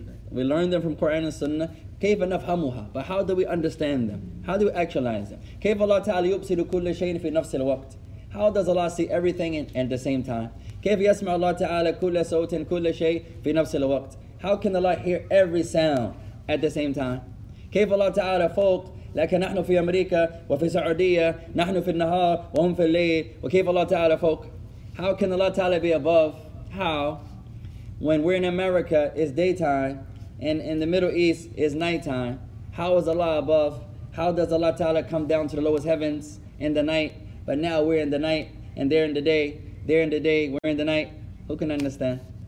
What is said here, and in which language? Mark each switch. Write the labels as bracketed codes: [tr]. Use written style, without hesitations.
[en] We learn them from Quran and Sunnah. [ar] كيف نفهمها? [en] But how do we understand them? How do we actualize them? [ar] كيف الله تعالى يبصر كل شيء في نفس الوقت? [en] How does Allah see everything at the same time? [ar] كيف يسمع الله تعالى كل صوت كل شيء في نفس الوقت? [en] How can Allah hear every sound at the same time? [ar] كيف الله تعالى فوق لكن نحن في أمريكا وفي السعودية نحن في النهار وهم في الليل وكيف الله تعالى فوق? [en] How can Allah تعالى be above? How? When we're in America, it's daytime, and in the Middle East, it's nighttime. How is Allah above? How does Allah Ta'ala come down to the lowest heavens in the night? But now we're in the night, and they're in the day, we're in the night. Who can understand?